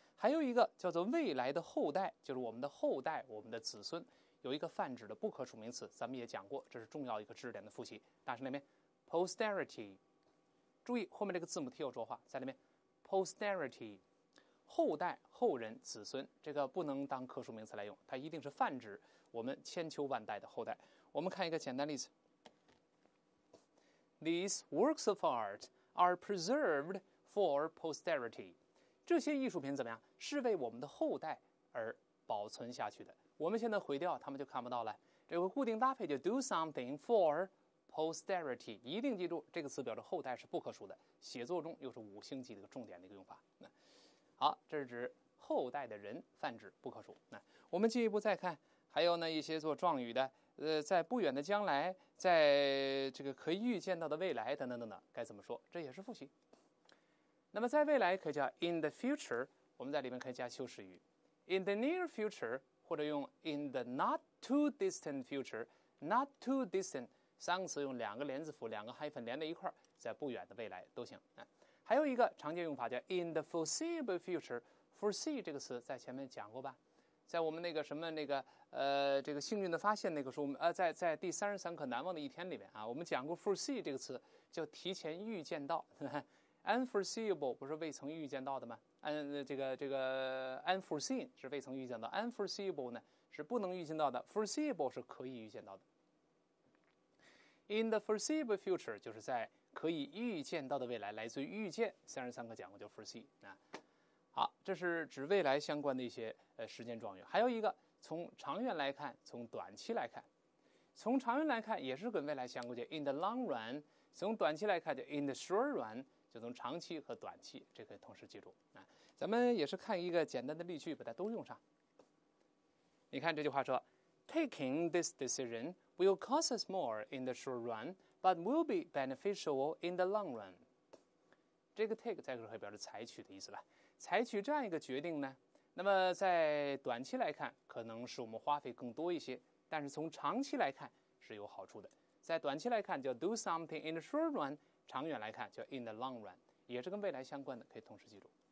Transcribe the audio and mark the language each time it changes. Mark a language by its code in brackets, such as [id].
[zh] 还有一个叫做未来的后代，就是我们的后代，我们的子孙，有一个泛指的不可数名词，咱们也讲过，这是重要一个知识点的复习。大声那边 ，posterity， 注意后面这个字母 t 有浊化，在那边。 Posterity， 后代、后人、子孙，这个不能当可数名词来用，它一定是泛指我们千秋万代的后代。我们看一个简单例子 [en] ：These works of art are preserved for posterity。 [zh] 这些艺术品怎么样？是为我们的后代而保存下去的。我们现在毁掉，他们就看不到了。这个固定搭配就 do something for。Posterity， 一定记住这个词表示后代是不可数的，写作中又是五星级的一个重点的一个用法。好，这是指后代的人，泛指不可数。那我们进一步再看，还有呢一些做状语的，在不远的将来，在这个可以预见到的未来等等等等，该怎么说？这也是复习。那么在未来可以叫 in the future， 我们在里面可以加修饰语 [en] in the near future， [zh] 或者用 [en] in the not too distant future， [zh] not too distant。三个词用两个连字符两个 hyphen 连在一块，在不远的未来都行。还有一个常见用法叫 in the foreseeable future， foresee 这个词在前面讲过吧，在我们那个什么那个这个幸运的发现那个书在第三十三课难忘的一天里面啊，我们讲过 foresee 这个词叫提前预见到。 unforeseeable 不是未曾预见到的吗？这个 unforeseen 是未曾预见到， unforeseeable 呢是不能预见到的， foreseeable 是可以预见到的。 In the foreseeable future， 就是在可以预见到的未来，来自于预见。三十三课讲过叫 foresee 啊。好，这是指未来相关的一些时间状语。还有一个，从长远来看，从短期来看，从长远来看也是跟未来相关的 ， [en] in the long run； [zh] 从短期来看就 [en] in the short run， [zh] 就从长期和短期，这可以同时记住啊。咱们也是看一个简单的例句，把它都用上。你看这句话说 ， [en] taking this decision。 Will cost us more in the short run, but will be beneficial in the long run. [zh] 这个 take 在这儿可以表示采取的意思了。采取这样一个决定呢，那么在短期来看，可能是我们花费更多一些，但是从长期来看是有好处的。在短期来看叫 do something in the short run， 长远来看叫 [en] in the long run， [zh] 也是跟未来相关的，可以同时记住。